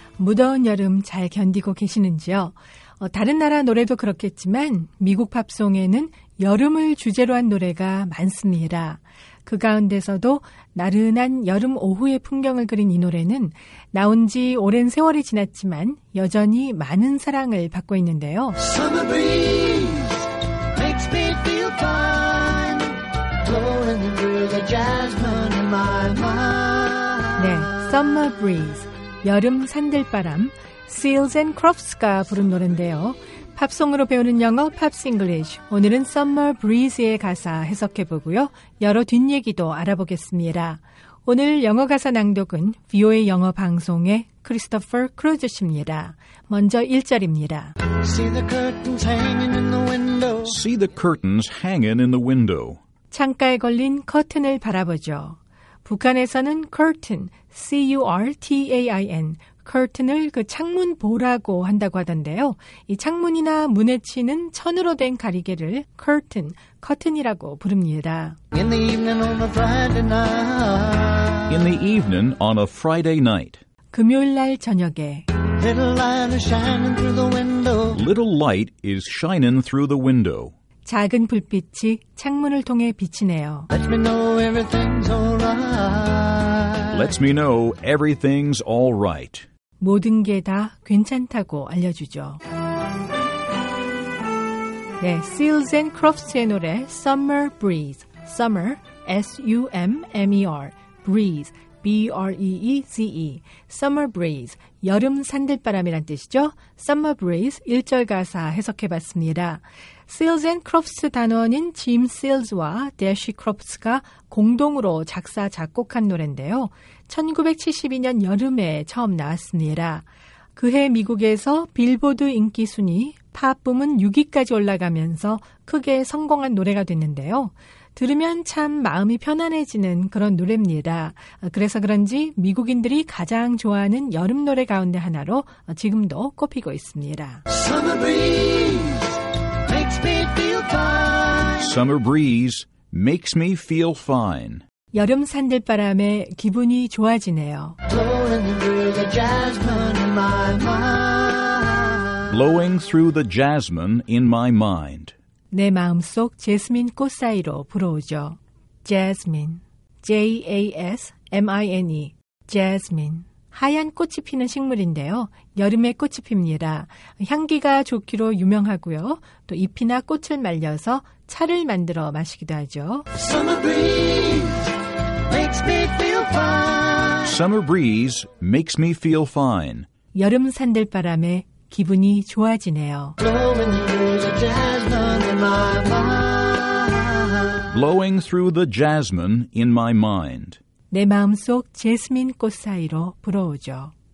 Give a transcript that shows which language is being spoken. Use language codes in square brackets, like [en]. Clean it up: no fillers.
[ko] 무더운 여름 잘 견디고 계시는지요? 다른 나라 노래도 그렇겠지만 미국 팝송에는 여름을 주제로 한 노래가 많습니다. 그 가운데서도 나른한 여름 오후의 풍경을 그린 이 노래는 나온 지 오랜 세월이 지났지만 여전히 많은 사랑을 받고 있는데요. [en] Summer breeze makes me feel fine, blowing through the jasmine in my mind. [ko] 네, Summer breeze, 여름 산들바람, Seals and Crofts가 부른 노래인데요. 팝송으로 배우는 영어 Pops English. 오늘은 Summer Breeze의 가사 해석해보고요. 여러 뒷얘기도 알아보겠습니다. 오늘 영어 가사 낭독은 VOA 영어 방송의 크리스토퍼 크루즈 씨입니다. 먼저 1절입니다. [en] See the curtains hanging in the window. See the curtains hanging in the window. [ko] 창가에 걸린 커튼을 바라보죠. 북한에서는 curtain, C-U-R-T-A-I-N, 커튼을 그 창문 보라고 한다고 하던데요. 이 창문이나 문에 치는 천으로 된 가리개를 커튼, 커튼이라고 부릅니다. [en] In the evening on a Friday night. In the evening on a Friday night. [ko] 금요일 날 저녁에. [en] Little light is shining through the window. Little light is shining through the window. [ko] 작은 불빛이 창문을 통해 비치네요. [en] Let me know everything's all right. Let me know everything's all right. [ko] 모든 게 다 괜찮다고 알려주죠. 네, Seals and Crofts의 노래 Summer Breeze. [en] Summer, S-U-M-M-E-R, Breeze, B-R-E-E-Z-E. [ko] Summer Breeze, 여름 산들바람이란 뜻이죠. Summer Breeze, 1절 가사 해석해봤습니다. Seals and Crofts 단원인 Jim Seals와 Dashy Crofts가 공동으로 작사, 작곡한 노래인데요. 1972년 여름에 처음 나왔습니다. 그해 미국에서 빌보드 인기 순위, 팝붐은 6위까지 올라가면서 크게 성공한 노래가 됐는데요. 들으면 참 마음이 편안해지는 그런 노래입니다. 그래서 그런지 미국인들이 가장 좋아하는 여름 노래 가운데 하나로 지금도 꼽히고 있습니다. [en] Summer breeze makes me feel fine. Summer breeze makes me feel fine. [ko] 여름 산들바람에 기분이 좋아지네요. [en] Blowing through the jasmine in my mind. Blowing through the jasmine in my mind. [ko] 내 마음속 제스민 꽃 사이로 불어오죠. [en] Jasmine. J-A-S-M-I-N-E. Jasmine. [ko] 하얀 꽃이 피는 식물인데요. 여름에 꽃이 핍니다. 향기가 좋기로 유명하고요. 또 잎이나 꽃을 말려서 차를 만들어 마시기도 하죠. [en] Summer breeze makes me feel fine. Summer breeze makes me feel fine. [ko] 여름 산들바람에 기분이 좋아지네요. [en] Blowing through the jasmine in my mind. [ko] 내 마음속 제스민 꽃 사이로 불어오죠.